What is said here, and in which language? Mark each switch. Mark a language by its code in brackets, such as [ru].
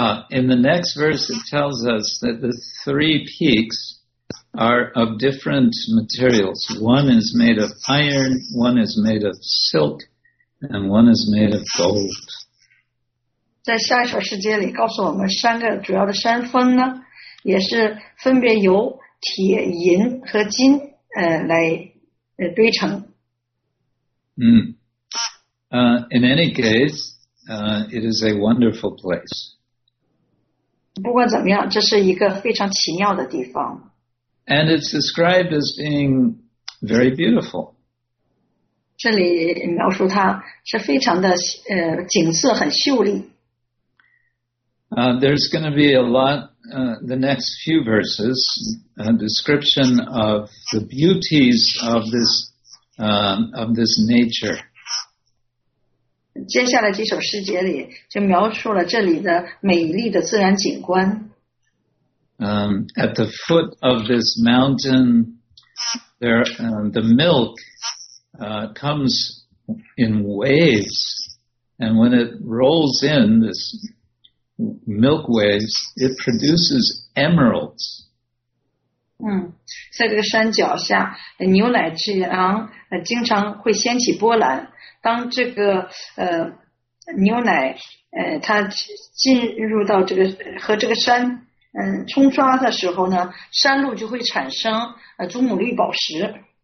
[en] In the next verse, it tells us that the three peaks are of different materials. One is made of iron, one is made of silk, and one is made of gold. [zh] 在下一首诗节里告诉我们，三个主要的山峰呢，也是分别由铁、银和金来堆成。 [en] In any case, it is a wonderful place. [zh] 不管怎么样，这是一个非常奇妙的地方。 [en] And it's described as being very beautiful. [zh] 这里描述它是非常的景色很秀丽。 [en] There's going to be a lot, the next few verses, a description of the beauties of this nature. [zh] 接下来几首诗节里就描述了这里的美丽的自然景观。 [en] At the foot of this mountain, the milk, comes in waves, and when it rolls in, this milk waves, it produces emeralds. [zh] 在这个山脚下，牛奶之阳经常会掀起波澜。当这个牛奶它进入到这个和这个山冲刷的时候呢，山路就会产生祖母绿宝石。